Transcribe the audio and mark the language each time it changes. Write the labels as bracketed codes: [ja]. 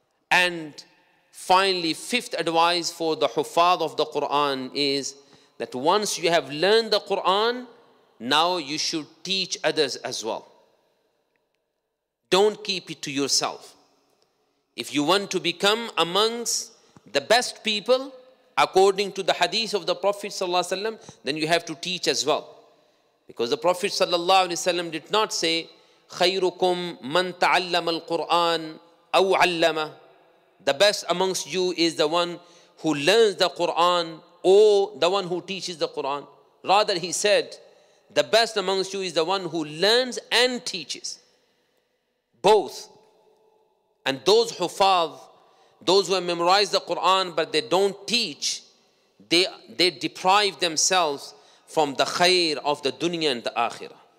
[en] And finally, fifth advice for the Huffaz of the Quran is that once you have learned the Quran, now you should teach others as well. Don't keep it to yourself. If you want to become amongst the best people, according to the hadith of the Prophet ﷺ, then you have to teach as well. [ar] Because the Prophet ﷺ did not say, خَيْرُكُمْ مَنْ تَعَلَّمَ الْقُرْآنَ أَوْ عَلَّمَ. [en] The best amongst you is the one who learns the Quran or the one who teaches the Quran. Rather, he said, the best amongst you is the one who learns and teaches. Both. And those Huffaz, those who have memorized the Quran but they don't teach, they deprive themselves from the khair of the dunya and the akhirah.